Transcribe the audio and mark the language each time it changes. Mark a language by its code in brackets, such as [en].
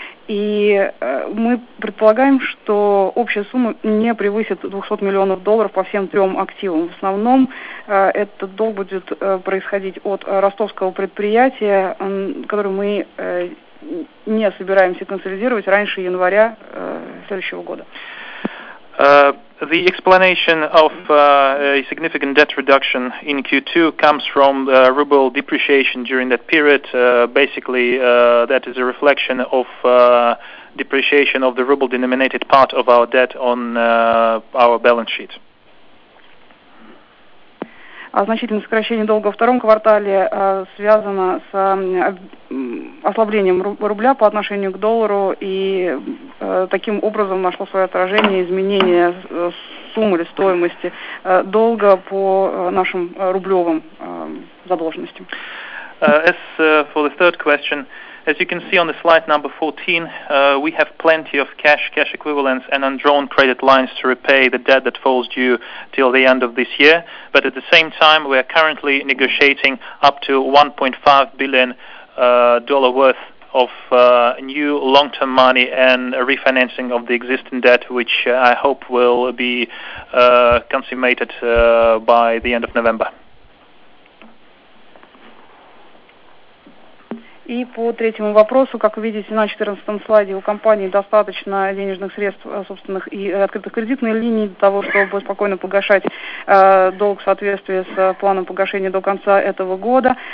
[ru] И мы предполагаем, что общая сумма не превысит 200 миллионов долларов по всем трем активам. В основном этот долг будет происходить от ростовского предприятия, который мы не собираемся консолидировать раньше января следующего года. [en] The explanation of a significant debt reduction in Q2 comes from the ruble depreciation during that period. Basically, that is a reflection of depreciation of the ruble-denominated part of our debt on our balance sheet. [ru] А значительное сокращение долга во втором квартале связано с ослаблением рубля по отношению к доллару, и таким образом нашло свое отражение изменение суммы или стоимости долга по нашим рублевым задолженностям. [en] As for the third question, as you can see on the slide number 14, we have plenty of cash equivalents and undrawn credit lines to repay the debt that falls due till the end of this year. But at the same time, we are currently negotiating up to $1.5 billion worth of new long-term money and a refinancing of the existing debt, which I hope will be consummated by the end of November. [ru] И по третьему вопросу, как вы видите на 14-м слайде, у компании достаточно денежных средств собственных и открытых кредитной линии для того, чтобы спокойно погашать долг в соответствии с планом погашения до конца этого года.